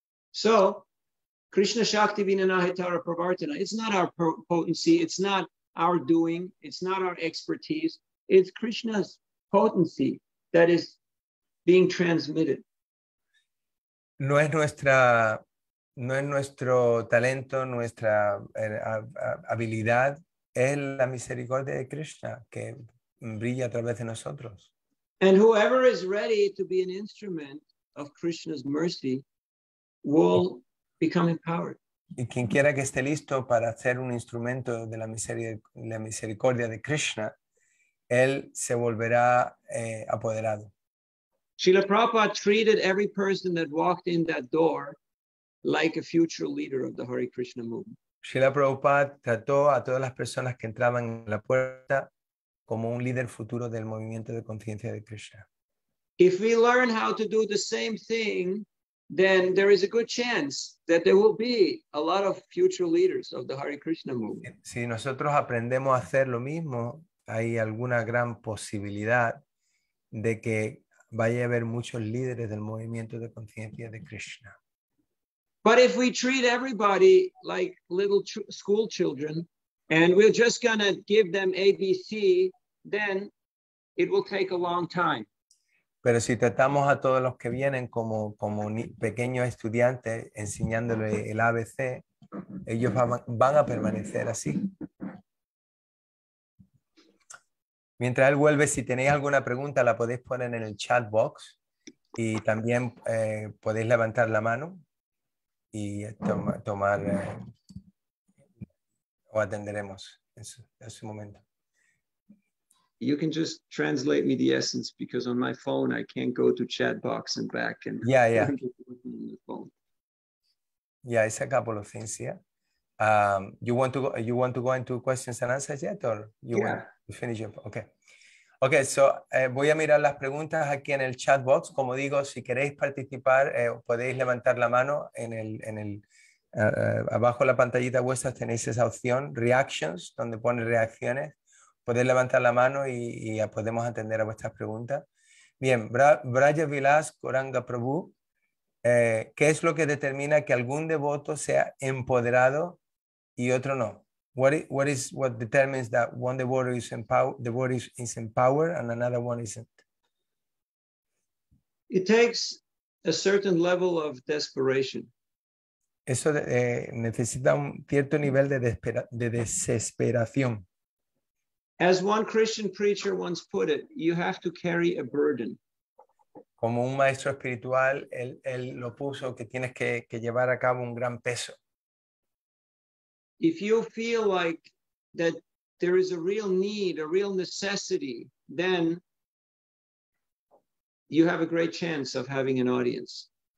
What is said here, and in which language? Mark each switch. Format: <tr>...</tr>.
<en>So, Krishna Shakti Vinanahitara Pravartana, it's not our potency, it's not our doing, it's not our expertise, it's Krishna's potency that is being transmitted.</en> <es>No es nuestro talento, nuestra habilidad, es la misericordia de Krishna que brilla a través de nosotros.</es> <en>And whoever is ready to be an instrument of Krishna's mercy will become empowered.</en> <es>Y quien quiera que esté listo para ser un instrumento de la misericordia de Krishna, él se volverá apoderado.</es> <en>Srila Prabhupada treated every person that walked in that door like a future leader of the Hare Krishna movement.</en> <es>Srila Prabhupada trató a todas las personas que entraban en la puerta como un líder futuro del movimiento de conciencia de Krishna.</es> <en>If we learn how to do the same thing, then there is a good chance that there will be a lot of future leaders of the Hare Krishna movement.</en> <es>Si nosotros aprendemos a hacer lo mismo, hay alguna gran posibilidad de que vaya a haber muchos líderes del movimiento de conciencia de Krishna.</es> <en>But if we treat everybody like little school children and we're just going to give them ABC, then it will take a long time.</en> <es>Pero si tratamos a todos los que vienen como pequeños estudiantes enseñándole el ABC, ellos van a permanecer así. Mientras él vuelve, si tenéis alguna pregunta, la podéis poner en el chat box y también podéis levantar la mano y tomar o atenderemos en su momento.</es> <en>You can just translate me the essence because on my phone I can't go to chat box and back. And yeah. Yeah, it's a couple of things, yeah. You want to go into questions and answers yet or want to finish up? Okay, so</en> <es>voy a mirar las preguntas aquí en el chat box. Como digo, si queréis participar, podéis levantar la mano en el abajo de la pantallita vuestra tenéis esa opción, reactions, donde pone reacciones. Podéis levantar la mano y podemos atender a vuestras preguntas. Bien, Braja Vilas, Goranga Prabhu, ¿Qué es lo que determina que algún devoto sea empoderado y otro no?</es> <en>What determines that one devoto is empowered, empowered and another one isn't? It takes a certain level of desperation.</en> <es>Eso necesita un cierto nivel de desesperación.</es> <en>As one Christian preacher once put it, you have to carry a burden.</en> <es>Como un maestro espiritual, él lo puso que tienes que llevar a cabo un gran peso.</es> <en>If you feel like that there is a real need, a real necessity, then you have a great chance of having an audience.</en>